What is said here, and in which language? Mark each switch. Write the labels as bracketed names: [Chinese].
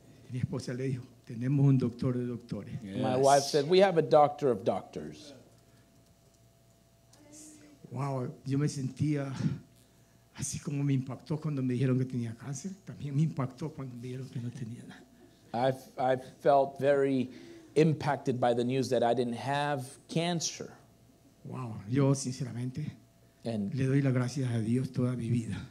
[Spanish] Mi esposa le dijo, tenemos un doctor de doctores. [English] Yes. My wife said, we have a doctor of doctors. [Spanish] Wow, yo me sentía así como me impactó cuando me dijeron que tenía cáncer. También me impactó cuando me dijeron que no tenía nada. [English] I felt very impacted by the news that I didn't have cancer. [Spanish] Wow, yo sinceramente le doy las gracias a Dios toda mi vida.